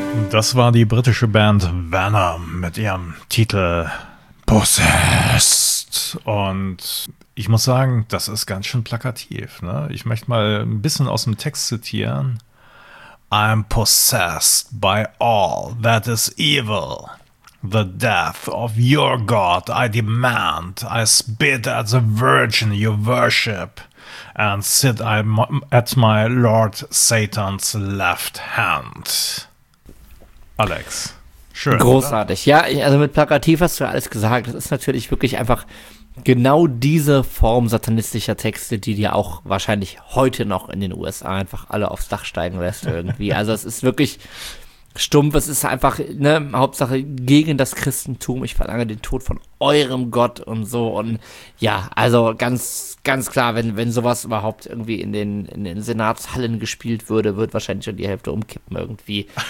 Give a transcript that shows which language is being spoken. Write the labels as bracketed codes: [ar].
[de] Das war die britische Band Venom mit ihrem Titel Possessed. Und ich muss sagen, das ist ganz schön plakativ, ne? Ich möchte mal ein bisschen aus dem Text zitieren. [en] I'm possessed by all that is evil. The death of your God I demand. I spit at the virgin you worship and sit at my Lord Satan's left hand. [de] Alex, schön. Großartig. Oder? Ja, also mit plakativ hast du ja alles gesagt. Das ist natürlich wirklich einfach genau diese Form satanistischer Texte, die dir auch wahrscheinlich heute noch in den USA einfach alle aufs Dach steigen lässt irgendwie. Also es ist wirklich stumpf, es ist einfach, ne, Hauptsache gegen das Christentum, ich verlange den Tod von eurem Gott und so und ja, also ganz, ganz klar, wenn sowas überhaupt irgendwie in den Senatshallen gespielt würde, wird wahrscheinlich schon die Hälfte umkippen irgendwie.